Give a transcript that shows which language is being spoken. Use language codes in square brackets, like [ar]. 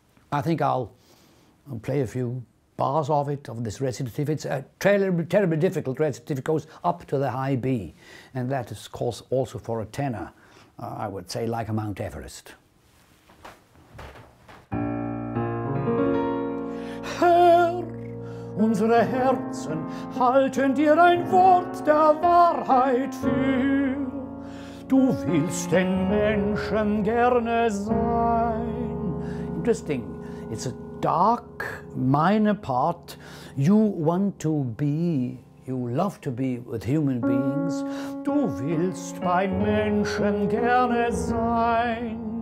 [en] I think I'll play a few bars of it, of this recitative. It's a terribly difficult recitative. It goes up to the high B, and that is, of course, also for a tenor, I would say, like a Mount Everest. [de] Herr, unsere Herzen halten dir ein Wort der Wahrheit für. Du willst den Menschen gerne sein. [en] Interesting. It's a dark minor part. You want to be, you love to be with human beings. [de] Du willst bei Menschen gerne sein.